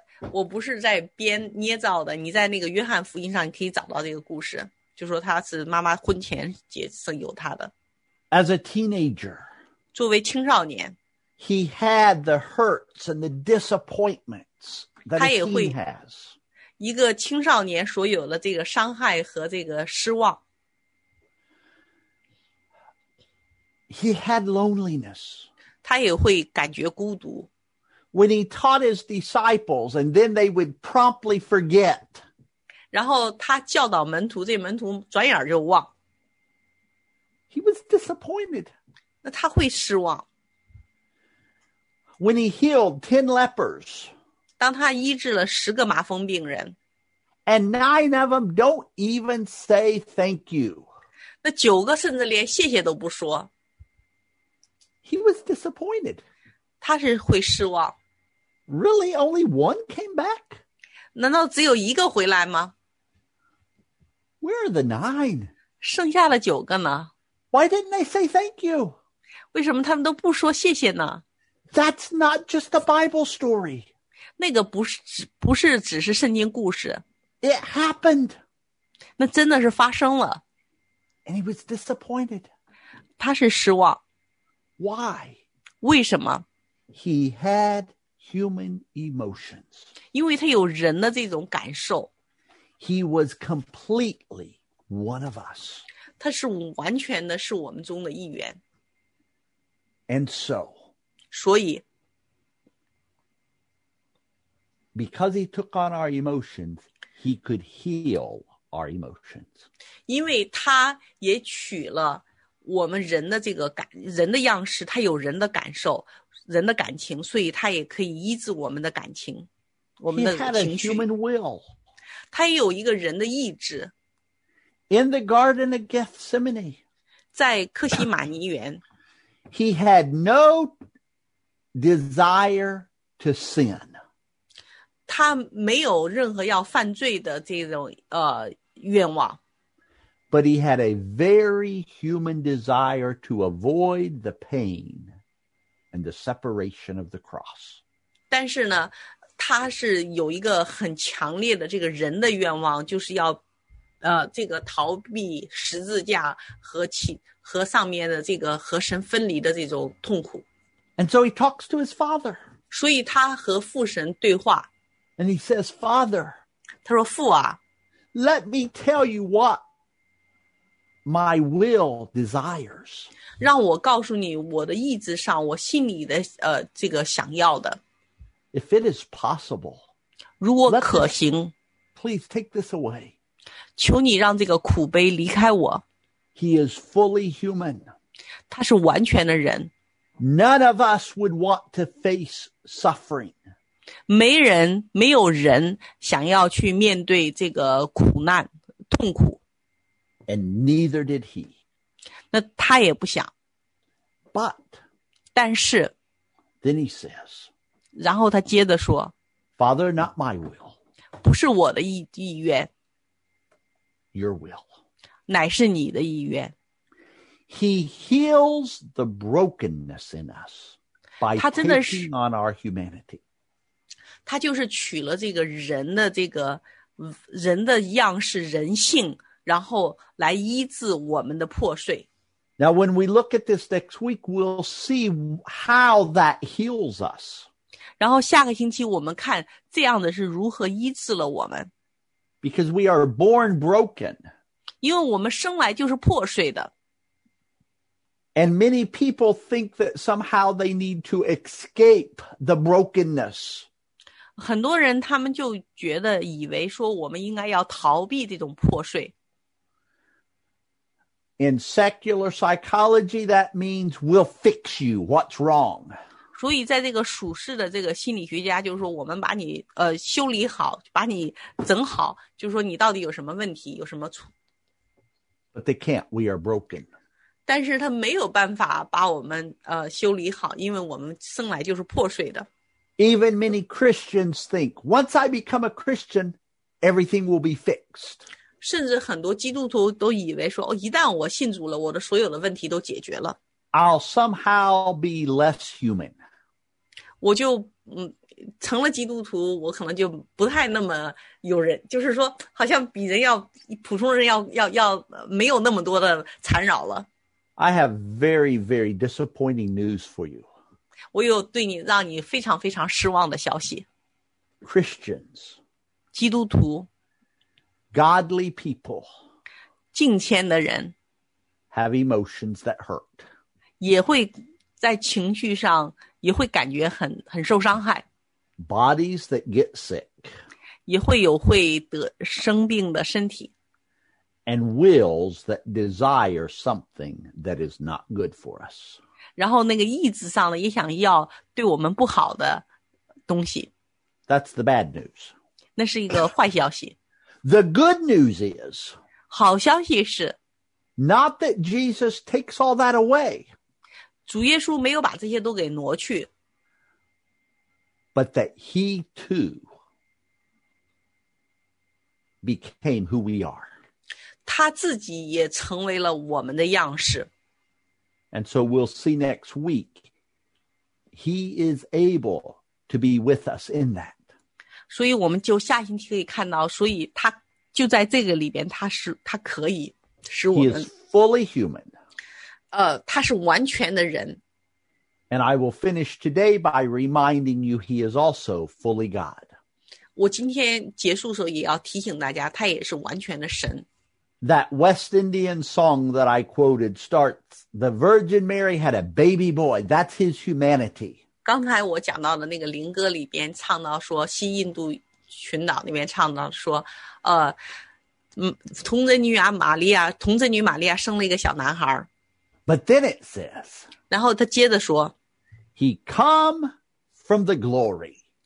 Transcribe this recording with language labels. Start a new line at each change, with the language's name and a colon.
Chinese: 我不是在编捏造的。你在那个约翰福音上你可以找到这个故事，就说他是妈妈婚前结生有他的。
English: As a teenager,
Chinese: 作为青少年，
English: he had the hurts and the disappointments that a teen has.
Chinese: 一个青少年所有的这个伤害和这个失望。
English: He had loneliness.
Chinese: 他也会感觉孤独。
English: When he taught his disciples, and then they would promptly forget.
Chinese: 然后他教导门徒，这门徒转眼就忘。
English: He was disappointed.
Chinese: 那他会失望。
English: When he healed 10 lepers.
Chinese: 当他医治了十个麻风病人。
English: And 9 of them don't even say thank you.
Chinese: 那九个甚至连谢谢都不说。
English: He was disappointed.
Chinese: 他是会失望。
English: Really, only one came back?
Chinese: 难道只有一个回来吗？
English: Where are the 9?
Chinese: 剩下的九个呢？
English: Why didn't they say thank you?
Chinese: 为什么他们都不说谢谢呢？
English: That's not just a Bible story.
Chinese: 那个不是只是圣经故事。
English: It happened.
Chinese: 那真的是发生了。
English: And he was disappointed.
Chinese: 他是失望。
English: Why?
Chinese: 为什么?
English: He had human emotions.
Chinese: 因为他有人的这种感受。
English: He was completely one of us.
Chinese: 他是完全的是我们中的一员。
English: And so,
Chinese: 所以,
English: because he took on our emotions, he could heal our emotions.
Chinese: 因为他也取了我们人的这个感人的样式，他有人的感受，人的感情，所以他也可以医治我们的感情，我们的情绪。
English: He had a human will.
Chinese: 他也有一个人的意志。
English: In the Garden of Gethsemane,
Chinese: 在克西马尼园，
English: he had no desire to sin.
Chinese: 他没有任何要犯罪的这种愿望。
English: But he had a very human desire to avoid the pain and the separation of the cross.
Chinese: 但是呢，他是有一个很强烈的这个人的愿望，就是要，这个逃避十字架和上面的这个和神分离的这种痛苦。
English: And so he talks to his father.
Chinese: 所以他和父神对话。
English: And he says, Father,
Chinese: 他说父啊
English: ，Let me tell you what. My will desires.
Chinese: 让我告诉你我的意志上我心里的这个想要的。
English: If it is possible.
Chinese: 如果可行。
English: Please take this away.
Chinese: 求你让这个苦杯离开我。
English: He is fully human.
Chinese: 他是完全的人。
English: None of us would want to face suffering.
Chinese: 没有人想要去面对这个苦难痛苦。
English: And neither did he.
Chinese: 那他也不想。
English: But,
Chinese: 但是
English: then he says,
Chinese: 然后他接着说
English: Father, not my will.
Chinese: 不是我的意愿。
English: Your will.
Chinese: 乃是你的意愿。
English: He heals the brokenness in us by taking on our humanity.
Chinese: 他就是取了这个人的这个人的样式人性然后来医治我们的破碎。
English: Now, when we look at this next week, we'll see how that heals us.
Chinese: 然后下个星期我们看这样的是如何医治了我们。
English: Because we are born broken.
Chinese: 因为我们生来就是破碎的。
English: And many people think that somehow they need to escape the brokenness.
Chinese: 很多人他们就觉得以为说我们应该要逃避这种破碎。
English: In secular psychology, that means we'll fix you. What's wrong?
Chinese: 所以在这个属世的这个心理学家就是说我们把你修理好把你整好就是说你到底有什么问题有什么错。
English: But they can't. We are broken.
Chinese: 但是他没有办法把我们修理好因为我们生来就是破碎的。
English: Even many Christians think, once I become a Christian, everything will be fixed.
Chinese: 甚至很多基督徒都以为说、哦、一旦我信主了我的所有的问题都解决了。
English: I'll somehow be less human.
Chinese: 我就、成了基督徒我可能就不太那么有人就是说好像比人要普通人要没有那么多的缠绕了。
English: I have very, very disappointing news for you.
Chinese: 我有对你让你非常非常失望的消息。
English: Christians.
Chinese: 基督徒。
English: Godly people
Chinese: 敬虔的人
English: have emotions that hurt.
Chinese: 也会在情绪上也会感觉很受伤害
English: Bodies that get sick.
Chinese: 也会有会得生病的身体
English: And wills that desire something that is not good for us.
Chinese: 然后那个意志上也想要对我们不好的东西
English: That's the bad news.
Chinese: 那是一个坏消息
English: The good news is,
Chinese: 好消息是,
English: not that Jesus takes all that away,
Chinese: 主耶稣没有把这些都给挪去,
English: but that he too became who we are.
Chinese: 他自己也成为了我们的样式。
English: And so we'll see next week, he is able to be with us in that.
Chinese: 所以我们就下星期可以看到所以他就在这个里边他可以使我们
English: He is fully human.
Chinese: 他是完全的人。
English: And I will finish today by reminding you he is also fully God.
Chinese: 我今天结束的时候也要提醒大家他也是完全的神。
English: That West Indian song that I quoted starts, The Virgin Mary had a baby boy, that's his humanity.
Chinese: 刚才我讲到的那个灵歌里边唱到说西印度群岛那边唱到说童贞女啊玛利亚童贞女玛利亚生了一个小男孩。
English: But then it says,
Chinese: 然后他接着说
English: He come from the glory.